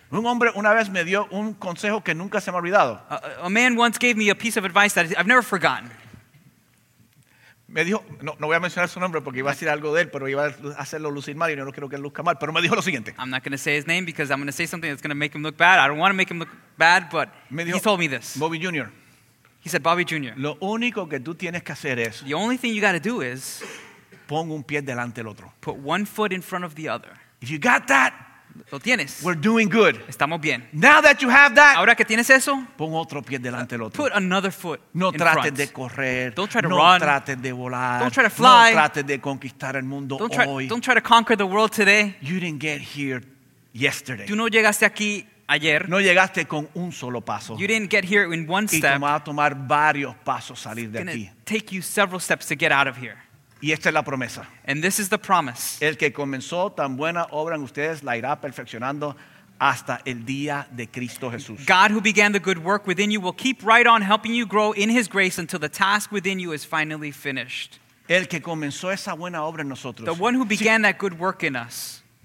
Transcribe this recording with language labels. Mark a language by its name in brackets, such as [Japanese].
[Spanish] Un hombre una vez me dio un consejo que nunca se me ha olvidado. [English] A man once gave me a piece of advice that I've never forgotten. [Spanish] Me dijo, no voy a mencionar su nombre porque iba a decir algo de él, pero iba a hacerlo lucir mal y no quiero que él luzca mal, pero me dijo lo siguiente. [English] I'm not going to say his name because I'm going to say something that's going to make him look bad. I don't want to make him look bad, but [Spanish] me dijo, [English] he told me this. [Spanish] Bobby Jr. [English] He said, Bobby Jr. [Spanish] Lo único que tú tienes que hacer es, [English] the only thing you got to do is, [Spanish] pon un pie delante del otro. [English] Put one foot in front of the other. If you got that, [Spanish] lo tienes. [English] We're doing good. [Spanish] Estamos bien. [English] Now that you have that, [Spanish] ahora que tienes eso, pon otro pie delante del otro. [English] Put another foot [Spanish] no [English] in [Spanish] trates [English] front. [Spanish] De correr. [English] Don't try to [Spanish] no [English] run. [Spanish] No trates de volar. [English] Don't try to fly. [Spanish] No trates de conquistar el mundo [English] don't try, [Spanish] hoy. [English] Don't try to conquer the world today. You didn't get here yesterday. [Spanish] Tú no llegaste aquí ayer. No llegaste con un solo paso. [English] You didn't get here in one step. [Spanish] Y te va a tomar varios pasos salir de aquí. [English] It's gonna take you several steps to get out of here. [Spanish] Y esta es la promesa. [English] And this is the promise. [Spanish] El que comenzó tan buena obra en ustedes la irá perfeccionando hasta el día de Cristo Jesús. [English] God who began the good work within you will keep right on helping you grow in his grace until the task within you is finally finished. [Spanish] El que comenzó esa buena obra en nosotros. [English] The one who began that good work in us.